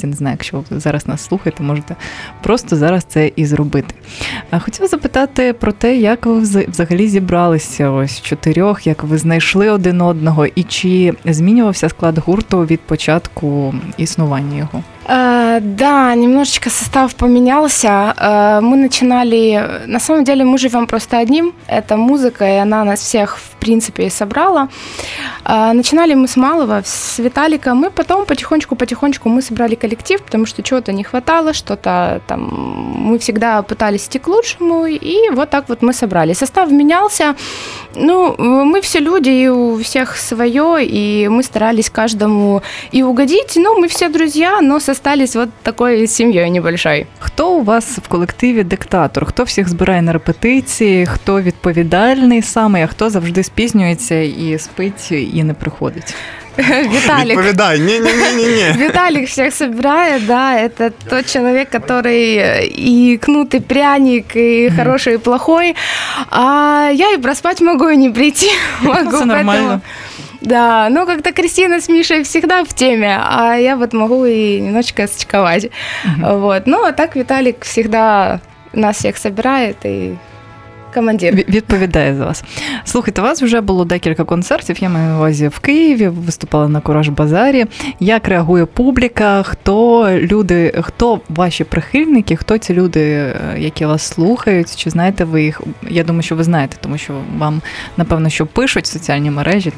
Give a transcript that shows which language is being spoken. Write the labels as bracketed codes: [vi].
[uk] Не знаю, якщо ви зараз нас слухаєте, можете просто зараз це і зробити. Хотіла запитати про те, як ви взагалі зібралися ось чотирьох, як ви знайшли один одного і чи змінювався склад гурту від початку існування його? [ru] Да, немножечко состав поменялся. Мы начинали... На самом деле мы живем просто одним. Это музыка, и она нас всех, в принципе, и собрала. Начинали мы с малого, с Виталика. Мы потом потихонечку-потихонечку мы собрали коллектив, потому что чего-то не хватало, что-то там... Мы всегда пытались идти к лучшему, и вот так вот мы собрали. Состав менялся. Ну, мы все люди, и у всех свое, и мы старались каждому и угодить. Ну, мы все друзья, но остались вот такой семьей небольшой. [uk] Хто у вас в колективі диктатор? Хто всіх збирає на репетиції? Хто відповідальний саме, а хто завжди спізнюється і спить, і не приходить? [ru] Виталик. [uk] Відповідай. Ні. Виталик всіх збирає, да, це той чоловік, який і кнут, і пряник, і хороший, і плохой. А я і проспати можу, і не прийти. [ru] Могу. [uk] Це нормально. [ru] Да, ну как-то Кристина с Мишей всегда в теме, а я вот могу и немножечко сочковать. Вот. Ну а так Виталик всегда нас всех собирает и командир. [uk] Відповідає за вас. Слухайте, у вас вже було декілька концертів, я маю на увазі в Києві, виступали на Кураж-базарі. Як реагує публіка, хто люди, хто ваші прихильники, хто ці люди, які вас слухають, чи знаєте ви їх? Я думаю, що ви знаєте, тому що вам, напевно, що пишуть в соціальні мережі.